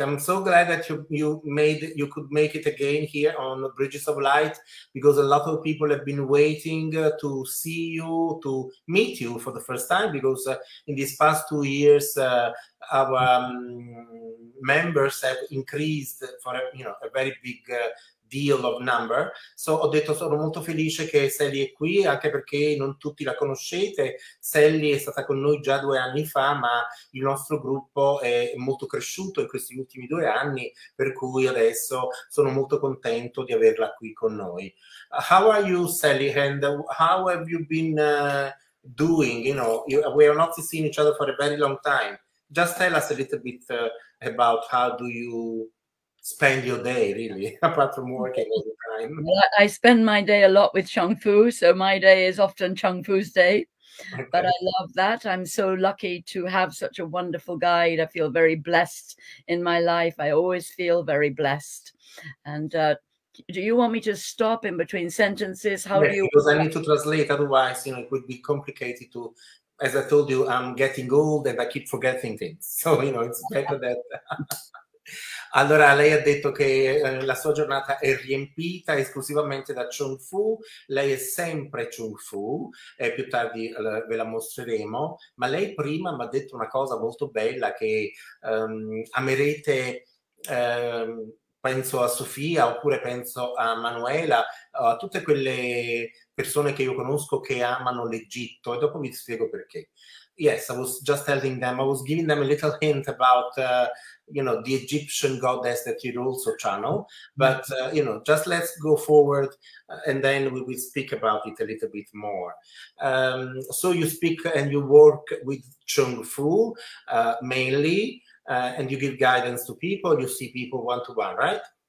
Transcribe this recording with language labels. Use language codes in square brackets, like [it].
[en] I'm so glad that you could make it again here on Bridges of Light, because a lot of people have been waiting to see you, to meet you for the first time, because in these past 2 years our members have increased for a very big deal of number. [it] So ho detto sono molto felice che Sally è qui, anche perché non tutti la conoscete. Sally è stata con noi già 2 anni fa, ma il nostro gruppo è molto cresciuto in questi ultimi 2 anni, per cui adesso sono molto contento di averla qui con noi. [en] How are you, Sally? And how have you been doing? We have not seen each other for a very long time. Just tell us a little bit about how do you spend your day, really, apart from working all Well, I spend my day a lot with Chung Fu, so my day is often Chung Fu's day. the time. But I love that. I'm so lucky to have such a wonderful guide. I feel very blessed in my life. I always feel very blessed. And do you want me to stop in between sentences? How do Yes, you because I need to translate, otherwise, it would be complicated to, as I told you, I'm getting old and I keep forgetting things. So, it's better that. [it] Allora, lei ha detto che la sua giornata è riempita esclusivamente da Chung Fu. Lei è sempre Chung Fu e più tardi ve la mostreremo. Ma lei prima mi ha detto una cosa molto bella che amerete, penso a Sofia oppure penso a Manuela, a tutte quelle persone che io conosco che amano l'Egitto e dopo vi spiego perché. [en] Yes, I was just telling them, I was giving them a little hint about, the Egyptian goddess that you also channel. But, just let's go forward and then we will speak about it a little bit more. So you speak and you work with Chung Fu mainly, and you give guidance to people, you see people one-to-one, right?